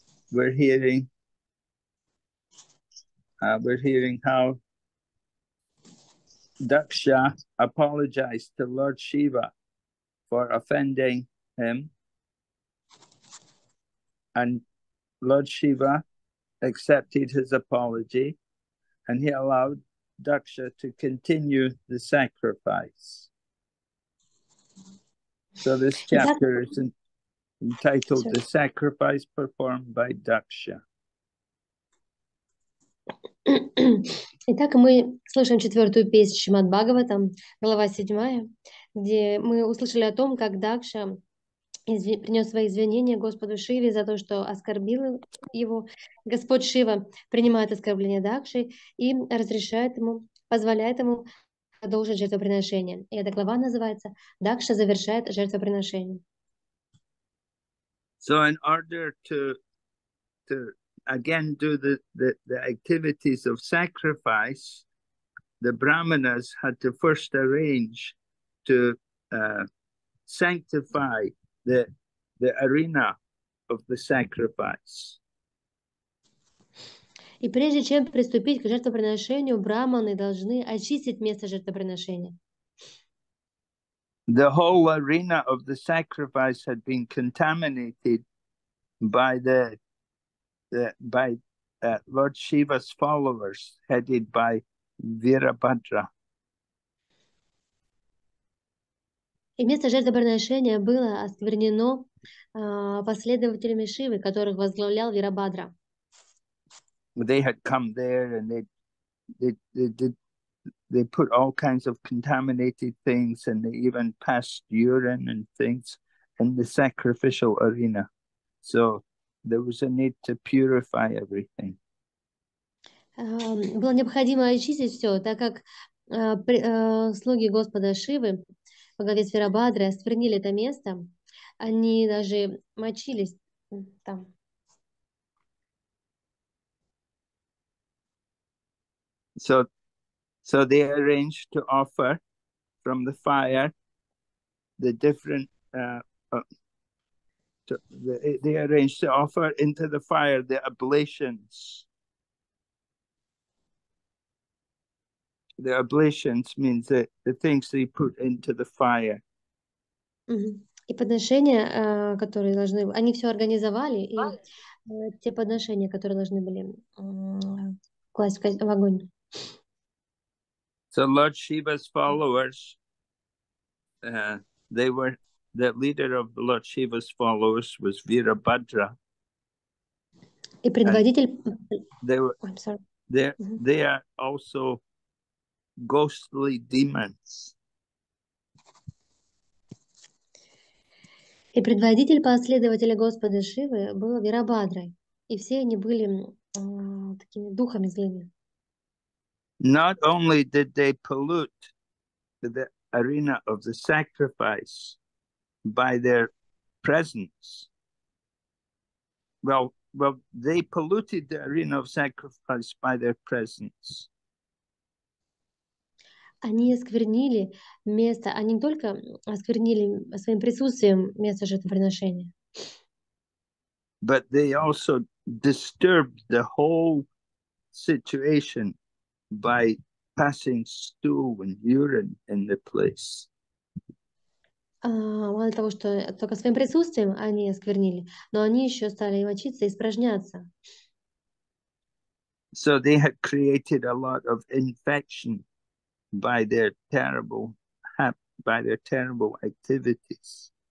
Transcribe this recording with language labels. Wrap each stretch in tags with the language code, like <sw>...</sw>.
<en>We're hearing how Daksha apologized to Lord Shiva for offending him, and Lord Shiva accepted his apology, and he allowed Daksha to continue the sacrifice. So this chapter is entitled The Sacrifice Performed by Daksha.</en> <ru>Итак, мы слышим четвертую песню Шримад Бхагаватам, глава седьмая, где мы услышали о том, как Дакша принес свои извинения Господу Шиве за то, что оскорбил его. Господь Шива принимает оскорбление Дакши и разрешает ему, позволяет ему продолжить жертвоприношение. И эта глава называется «Дакша завершает жертвоприношение».</ru> <en>So in order to again do the activities of sacrifice, the brahmanas had to first arrange to sanctify the arena of the sacrifice.</en> <ru>И прежде чем приступить к жертвоприношению, брахманы должны очистить место жертвоприношения.</ru> <en>The whole arena of the sacrifice had been contaminated by Lord Shiva's followers, headed by Virabhadra.</en> <ru>И место жертвоприношения было осквернено последователями Шивы, которых возглавлял Вирабхадра.</ru> <en>They had come there, and they put all kinds of contaminated things, and they even passed urine and things in the sacrificial arena. So there was a need to purify everything.</en> <ru>Было необходимо очистить все, так как слуги Господа Шивы во главе с Вирабхадрой осквернили это место, они даже мочились там.</ru> <en>So they arranged to offer from the fire the different they arranged to offer into the fire the oblations. The oblations means that the things they put into the fire.</en> <ru>И подношения, которые должны, они все организовали, и те подношения, которые должны были класть в огонь.</ru> <en>So Lord Shiva's followers, they were the leader of Lord Shiva's followers was Virabhadra.</en> <ru>И предводитель.</ru> <en>They were. Oh, I'm sorry. They are also ghostly demons.</en> <ru>И предводитель последователей Господа Шивы был Вирабхадрой, и все они были такими духами злыми.</ru> <en>Not only did they pollute the arena of the sacrifice by their presence. Well, they polluted the arena of sacrifice by their presence.</en> <ru>Они осквернили место, они не только осквернили своим присутствием место жертвоприношения.</ru> <en>But they also disturbed the whole situation by passing stool and urine in the place.</en> <ru>Мало того, что только своим присутствием они осквернили, но они еще стали мочиться и испражняться.</ru> <en>So they had created a lot of infection by their terrible activities.</en>